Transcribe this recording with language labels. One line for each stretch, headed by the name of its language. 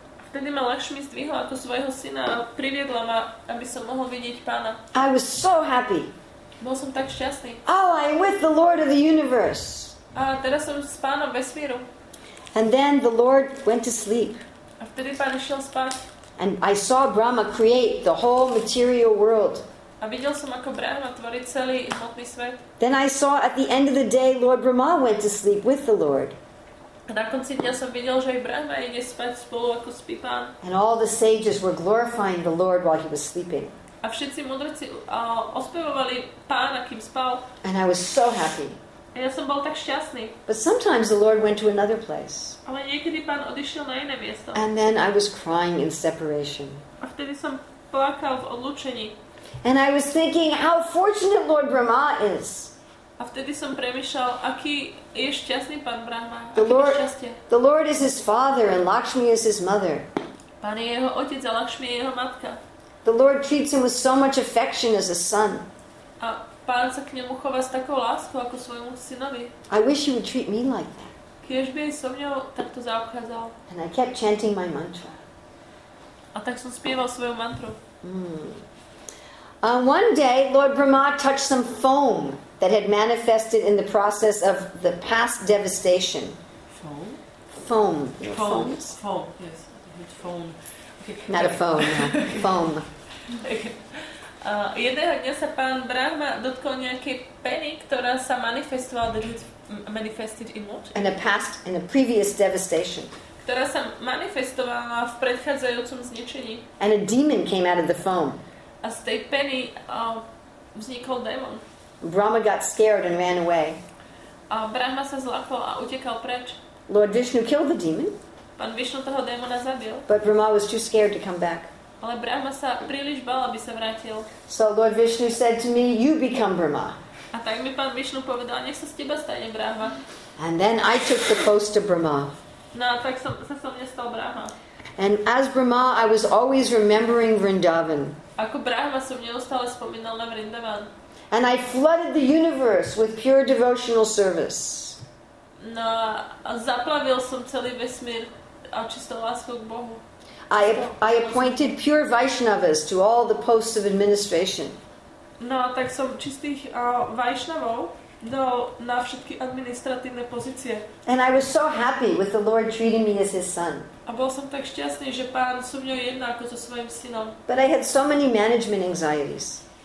Slovak: Vtedy ma Lakshmi zdvihla ako svojho syna a priviedla ma, aby som mohol vidieť pána.
English: I was so happy.
Slovak: Bol som tak šťastný.
English: Oh, I'm with the Lord of the universe.
Slovak: A teraz som s pánom vesmíru.
English: And then the Lord went to sleep.
Slovak: A vtedy pán išiel spať.
English: And I saw Brahma create the whole material world.
Slovak: A videl som, ako Brahma tvorí celý hmotný svet.
English: Then I saw at the end of the day Lord Brahma went to sleep with the Lord.
Slovak: A na konci dňa som videl, že aj Brahma ide spať spolu, ako spí pán.
English: And all the sages were glorifying the Lord while he was sleeping.
Slovak: A všetci mudrci ospevovali pána, kým spal.
English: And I was so happy.
Slovak: A ja som bol tak šťastný.
English: But sometimes the Lord went to another place.
Slovak: Ale niekedy pán odišiel na iné miesto.
English: And then I was crying in separation.
Slovak: A vtedy som plakal v odlúčení.
English: And I was thinking how fortunate Lord Brahma is.
Slovak: A vtedy som premýšľal, aký je šťastný pán Brahma.
English: The Lord is his father and Lakshmi is his mother.
Slovak: Pán je jeho otec a Lakshmi je jeho matka.
English: The Lord treats him with so much affection as a son.
Slovak: A pán sa k nemu chová s takou láskou ako svojmu synovi.
English: I wish he would treat me like that.
Slovak: Kiež by so mňou takto zaobchádzal.
English: And I kept chanting my mantra.
Slovak: A tak som spieval svoju mantru.
English: One day, Lord Brahma touched some foam that had manifested in the process of the past devastation. Foam? Foam. Foam, yes. It's foam. Okay. Not a foam. Foam.
Slovak: Jedného dňa sa pán Brahma dotkol nejakej peny, ktorá sa manifestovala,
English: that it manifested in what? In a past, in a previous devastation.
Slovak: Ktorá sa manifestovala v predchádzajúcom zničení.
English: And a demon came out of the foam.
Slovak: A z tej peny vznikol démon.
English: Brahma got scared and ran away.
Slovak: A Brahma sa zlakol a utekal preč.
English: Lord Vishnu killed the demon.
Slovak: Pán Vishnu toho démona zabil.
English: But Brahma was too scared to come back.
Slovak: Ale Brahma sa príliš bál, aby sa vrátil.
English: So Lord Vishnu said to me, you become Brahma.
Slovak: A tak mi pán Vishnu povedal, nech sa z teba stane Brahma.
English: And then I took the post of Brahma.
Slovak: No a tak sa mne stal Brahma.
English: And as Brahma, I was always remembering Vrindavan.
Slovak: Ako Brahma som neustále spomínal na Vrindavan.
English: And I flooded the universe with pure devotional service.
Slovak: No, zaplavil som celý vesmír a čistou láskou k Bohu.
English: I appointed pure Vaishnavas to all the posts of administration.
Slovak: No, tak som čistých Vaishnavov na všetky administratívne pozície.
English: And I was so happy with the Lord treating me as his son.
Slovak: A bol som tak šťastný, že pán so mňou jedná ako so svojím synom.
English: But I had so many management anxieties.